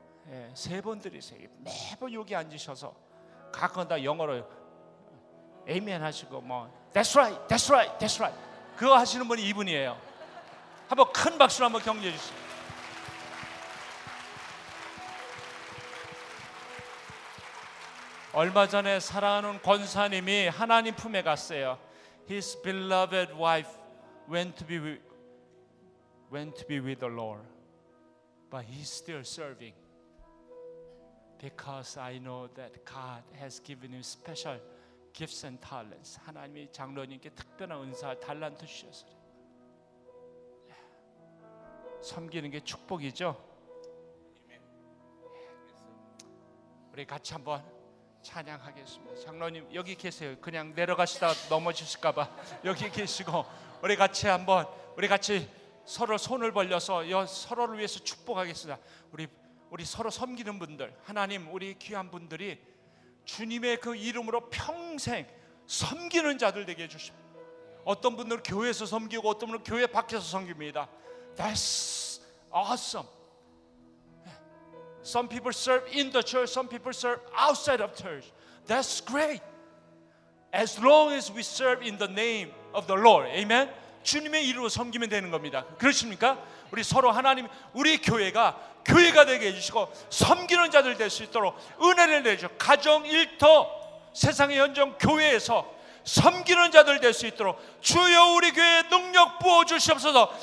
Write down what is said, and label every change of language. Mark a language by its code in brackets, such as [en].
[ko] 예, 세 번 드리세요. 매번 여기 앉으셔서 가끔 다 영어로 Amen 하시고 뭐 [en] That's right, that's right, that's right [ko] 그거 하시는 분이 이분이에요. 한번 큰 박수로 한번 격려해 주세요. 얼마 전에 사랑하는 권사님이 하나님 품에 갔어요. [en] His beloved wife went to be with the Lord, but he's still serving because I know that God has given him special gifts and talents. [ko] 하나님이 장로님께 특별한 은사 달란트 주셔서 섬기는 게 축복이죠. 우리 같이 한번 찬양하겠습니다. 장로님 여기 계세요. 그냥 내려가시다 넘어지실까봐 여기 계시고 우리 같이 한번 우리 같이 서로 손을 벌려서 서로를 위해서 축복하겠습니다. 우리 서로 섬기는 분들 하나님 우리 귀한 분들이 주님의 그 이름으로 평생 섬기는 자들 되게 해주십시오. 어떤 분들은 교회에서 섬기고 어떤 분들은 교회 밖에서 섬깁니다. [en] That's awesome. Some people serve in the church, some people serve outside of church. That's great. As long as we serve in the name of the Lord. Amen. [ko] 주님의 이름으로 섬기면 되는 겁니다. 그렇습니까? 우리 서로 하나님, 우리 교회가 되게 해주시고 섬기는 자들 될 수 있도록 은혜를 내주시고 가정, 일터, 세상의 현장, 교회에서 섬기는 자들 될 수 있도록 주여 우리 교회에 능력 부어주시옵소서.